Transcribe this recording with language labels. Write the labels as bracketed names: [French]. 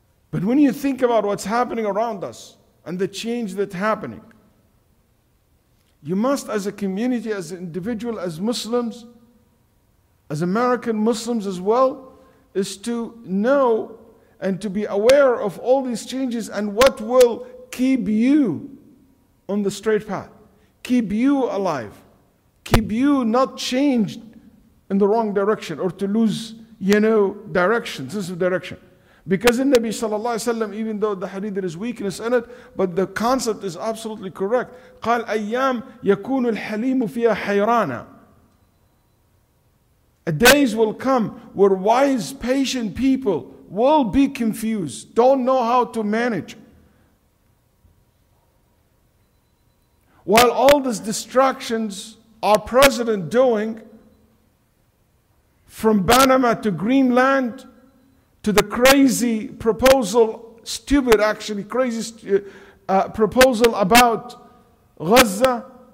[English] But when you think about what's happening around us and the change that's happening, you must, as a community, as an individual, as Muslims, as American Muslims as well, is to know and to be aware of all these changes and what will keep you on the straight path, keep you alive, keep you not changed in the wrong direction or to lose, you know, direction, sense of direction. Because in Nabi sallallahu alayhi wa sallam, even though the hadith there is weakness in it, but the concept is absolutely correct. [Arabic] قال أيام يكون الحليم فيها حيرانا. [English] Days will come where wise, patient people will be confused, don't know how to manage. While all these distractions our president doing, from Panama to Greenland, to the crazy proposal, stupid actually, crazy proposal about Gaza.